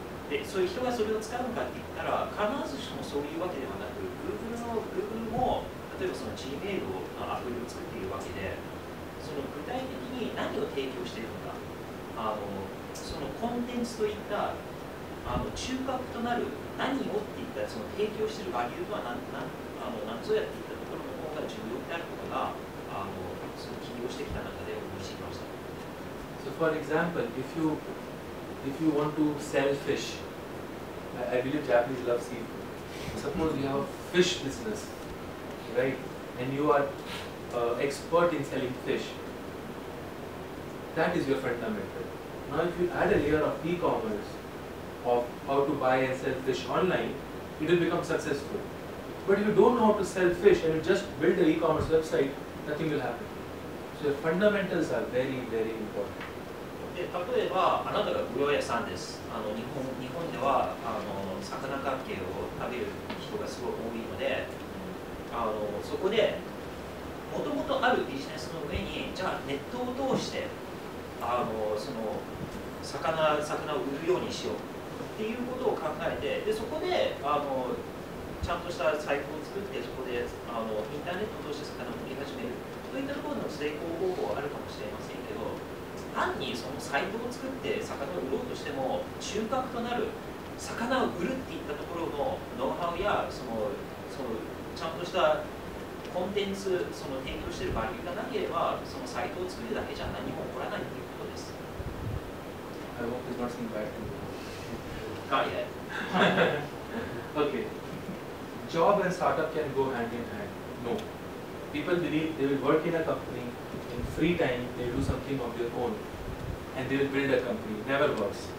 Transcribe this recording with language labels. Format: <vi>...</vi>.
<ja>で、そういう人がそれを使うのかって言ったら、必ずしもそういうわけではなく、Google も、例えばその G メールのアプリを作っているわけで、その具体的に何を提供しているのか、そのコンテンツといった、中核となる何をっていったらその提供しているバリューは何ぞやっていったところの方が重要であることが、その起業してきた中で思い知りました。</ja> <en>So for example, if you want to sell fish, I believe Japanese love seafood. Suppose you have a fish business, right? And you are expert in selling fish. That is your fundamental. Now if you add a layer of e-commerce, of how to buy and sell fish online, it will become successful. But if you don't know how to sell fish and you just build an e-commerce website, nothing will happen. So your fundamentals are very, very important.</en> <ja>で、例えばあなたが魚屋さんです。日本では魚関係を食べる人がすごく多いので、そこでもともとあるビジネスの上に、じゃあネットを通してその魚を売るようにしようっていうことを考えて、でそこでちゃんとしたサイトを作って、そこでインターネットを通して魚を売り始めるといったところの成功方法はあるかもしれませんけど、単にそのサイトを作って魚を売ろうとしても、中核となる魚を売るっていったところのノウハウや、そのちゃんとしたコンテンツ、その提供しているバリューがなければ、そのサイトを作るだけじゃ何も起こらないということです。</ja> <en>I hope it's not seen by you. Not yet. Okay. Job and startup can go hand in hand. No. People believe they will work in a company, in free time they will do something of their own, and they will build a company. Never works.</en>